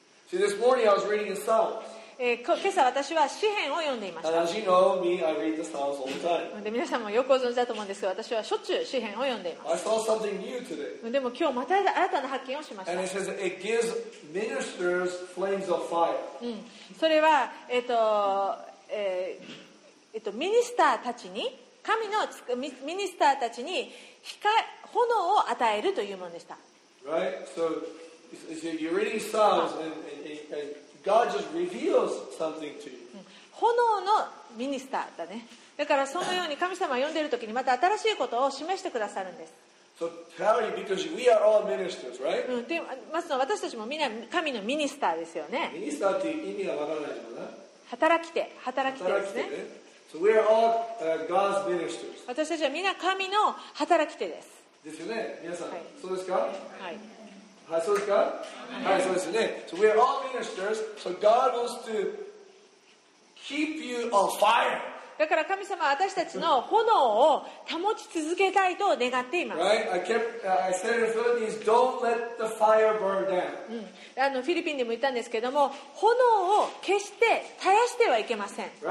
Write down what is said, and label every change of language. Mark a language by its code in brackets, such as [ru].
[en] See, this morning I was reading the Psalms. [ja] 今朝私は詩編を読んでいました。 [en] As you know me, I read the Psalms all the time. [ja] で皆さんもよくご存知だと思うんですが私はしょっちゅう詩編を読んでいます。 [en] I saw something new today. [ja] でも今日また新たな発見をしました。 [en] And it says it gives ministers flames of fire. [ja] それはミニスターたちに神のミニスターたちに炎を与えるというものでした。 [en] Right? So you're reading Psalms and God just reveals something to you. [ja] 炎のミニスターだね。だからそのように神様を呼んでいるときにまた新しいことを示してくださるんです。私たちもみんな神のミニスターですよね。ミニスターっていう意味がわからないもんな。働き手ですね。 [en] So we are all, God's ministers. [ja] 私たちはみんな神の働き手です。ですよね、皆さん。はい、そうですか。はい。はい、そうですか。はい、そうですね。 [en] So we are all ministers. So God wants to keep you on fire. [ja] だから神様は私たちの炎を保ち続けたいと願っています。フィリピンでも言ったんですけども炎を決して絶やしてはいけません。